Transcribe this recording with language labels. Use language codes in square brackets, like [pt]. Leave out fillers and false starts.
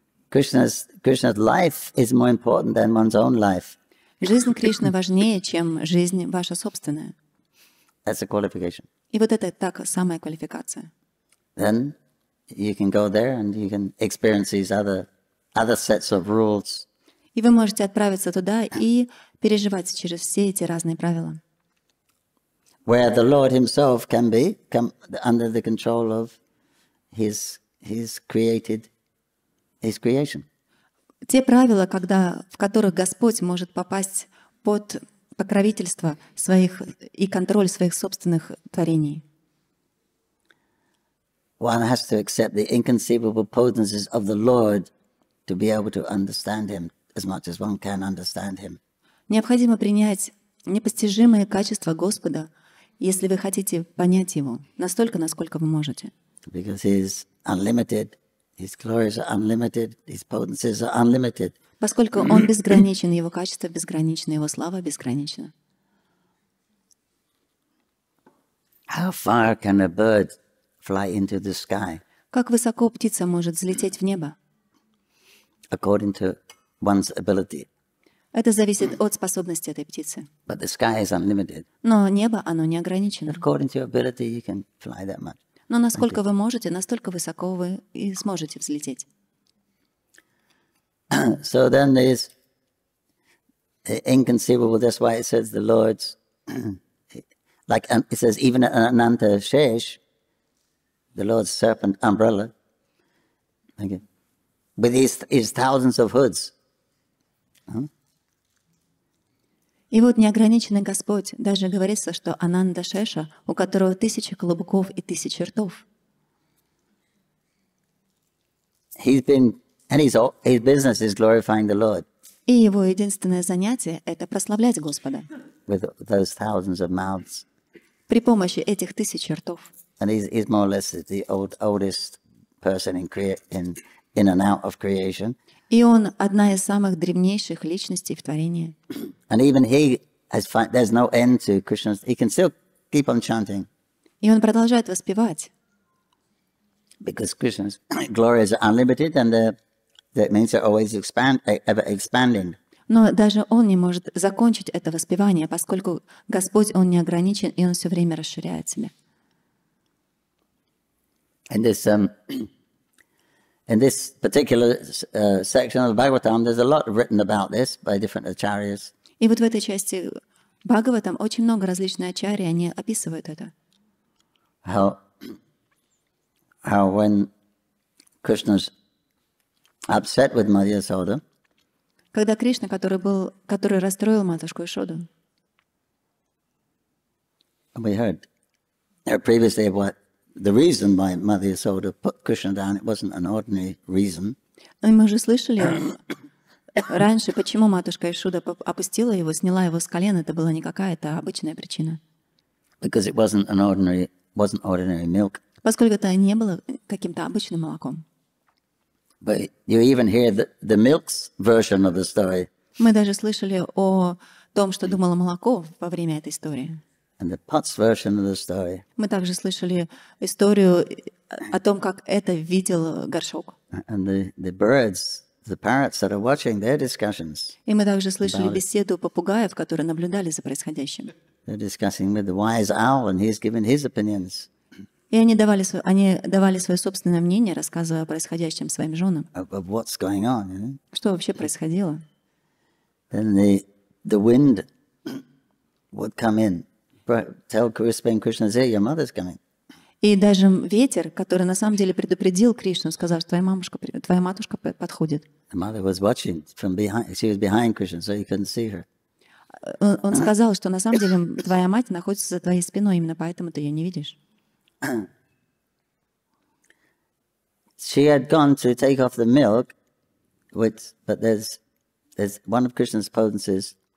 [en] Krishna's life is more important than one's own life. [ru] Жизнь Кришны важнее, чем жизнь ваша собственная. [en] That's a qualification. [ru] И вот это так самая квалификация. [en] Then you can go there and you can experience these other sets of rules. [ru] И вы можете отправиться туда и переживать через все эти разные правила. [en] Where the Lord himself can be, come under the control of his creation. [ru] Те правила, когда, в которых Господь может попасть под покровительство своих и контроль своих собственных творений. [en] One has to accept the inconceivable potencies of the Lord to be able to understand him as much as one can understand him. [ru] Необходимо принять непостижимые качества Господа, если вы хотите понять его, настолько, насколько вы можете. [en] Because he is unlimited, his glories are unlimited, his potencies are unlimited. [ru] Поскольку он безграничен, его качества безграничны, его слава безгранична. [en] How far can a bird fly into the sky? [ru] Как высоко птица может взлететь в небо? [en] According to one's ability. [ru] Это зависит от способности этой птицы. [en] But the sky is unlimited. [ru] Но небо, оно не ограничено. [en] According to your ability, you can fly that much. [ru] Но насколько вы можете, настолько высоко вы и сможете взлететь. [en] So then there's inconceivable, that's why it says the Lord's, like it says, even Ananta Shesh, the Lord's serpent umbrella, okay, with his thousands of hoods. [ru] И вот неограниченный Господь, даже говорится, что Ананда Шеша, у которого тысячи клубков и тысячи ртов. И его единственное занятие — это прославлять Господа. [en] With those thousands of mouths. [ru] При помощи этих тысяч ртов. [en] And he's more or less the oldest person in and out of creation. [ru] И он одна из самых древнейших личностей в творении. [en] And even he has found, there's no end to Krishna. He can still keep on chanting. [ru] И он продолжает воспевать. [en] Because Krishna's glory is unlimited, and that means they're always ever expanding. [ru] Но даже он не может закончить это воспевание, поскольку Господь он не ограничен и он все время расширяет себя. [en] And this in this particular section of Bhagavatam, there's a lot written about this by different acharyas. [ru] И вот в этой части Бхагаватам очень много различных ачарий, они описывают это. [en] How when Krishna's upset with Mother Yashoda. [ru] Когда Кришна, который расстроил матушку Ишоду. [en] We heard previously what the reason why Mother Yashoda put Krishna down, it wasn't an ordinary reason. [ru] Мы уже слышали раньше, почему матушка Ишуда опустила его, сняла его с колен, это была не какая-то обычная причина. [en] Because it wasn't ordinary milk. [ru] Поскольку это не было каким-то обычным молоком. [en] But you even hear the milk's version of the story. [ru] Мы даже слышали о том, что думало молоко во время этой истории. [en] And the pot's version of the story. [ru] Мы также слышали историю о том, как это видел горшок. [en] And the birds, the parrots that are watching their discussions. [ru] И мы также слышали беседу попугаев, которые наблюдали за происходящим. [en] They're discussing with the wise owl, and he's giving his opinions. [ru] И они давали свое собственное мнение, рассказывая о происходящем своим женам. [en] Of what's going on, you know? [ru] Что вообще происходило? [en] Then the wind would come in. Tell Krishna, say your mother's coming. [ru] И даже ветер, который на самом деле предупредил Кришну, сказав, что твоя матушка подходит. [en] The mother was watching from behind. She was behind Krishna, so you couldn't see her. [ru] Он сказал, что на самом деле твоя мать находится за твоей спиной, именно поэтому ты ее не видишь. [en] She had gone to take off the milk, but there's one of Krishna's potencies.